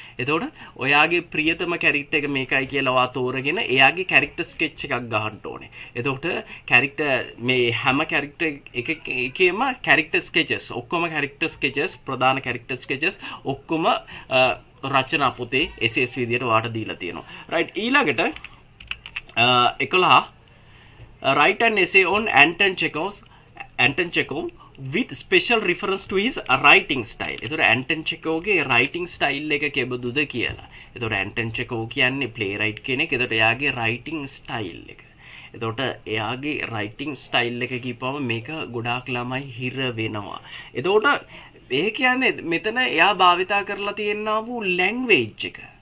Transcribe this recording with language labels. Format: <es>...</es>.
<si>එතකොට ඔයාගේ ප්‍රියතම කැරක්ටර් එක මේකයි කියලා වා තෝරගෙන එයාගේ character sketch එකක් ගහන්න ඕනේ. එතකොට character මේ හැම character එකේම character sketches ඔක්කොම character sketches ප්‍රධාන character sketches ඔක්කොම රචනා පොතේ essays විදියට වාට දීලා තියෙනවා.</si> <en>right ඊළඟට 11 write an essay on Anton Chekhov's Anton Chekhov with special reference to his writing style.</en> <si>එතකොට Anton Chekhovගේ writing style එක කෙබඳුද කියලා. එතකොට Anton Chekhov කියන්නේ playwright කෙනෙක්. එතකොට එයාගේ writing style එක. එතකොට එයාගේ writing style එක කියපුවම මේක ගොඩාක් ළමයි හිර වෙනවා. එතකොට ඒ කියන්නේ මෙතන එයා භාවිතා කරලා තියෙනා වූ language එක.</si>